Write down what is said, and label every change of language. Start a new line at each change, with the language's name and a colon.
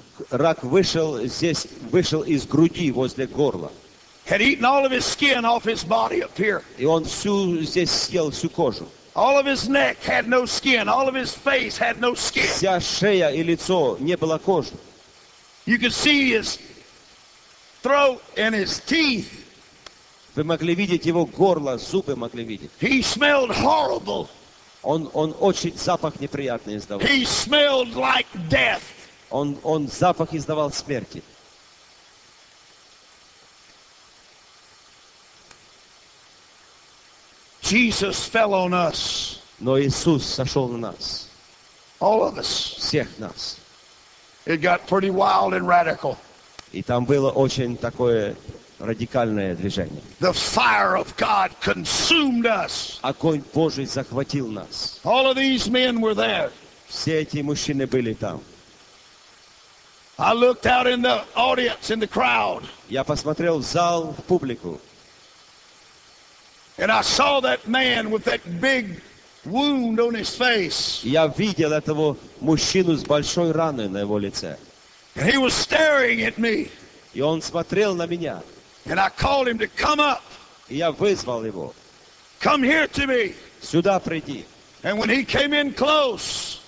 Russian: Рак вышел здесь, вышел из груди возле горла.
English: Had eaten all of his skin off his body up here.
Russian: И он всю здесь съел всю кожу.
English: All of his neck had no skin. All of his face had no skin.
Russian: Вся шея и лицо не было кожи.
English: You could see his throat and his teeth.
Russian: Вы могли видеть его горло, зубы могли видеть.
English: He smelled horrible.
Russian: Он очень запах неприятный издавал.
English: He smelled like death.
Russian: Он запах издавал смерти.
English: Jesus fell on us.
Russian: Но Иисус сошел на нас.
English: All of us.
Russian: Всех нас.
English: It got pretty wild and radical.
Russian: И там было очень такое радикальное движение.
English: The fire of God consumed us.
Russian: Огонь Божий захватил нас.
English: All of these men were there.
Russian: Все эти мужчины были там.
English: I looked out in the audience, in the crowd.
Russian: Я посмотрел в зал, в публику.
English: And I saw that man with that big wound on his face.
Russian: Я видел этого мужчину с большой раной на его лице.
English: And he was staring at me.
Russian: И он смотрел на меня.
English: And I called him to come up.
Russian: И я вызвал его.
English: Come here to me.
Russian: Сюда приди.
English: And when he came in close.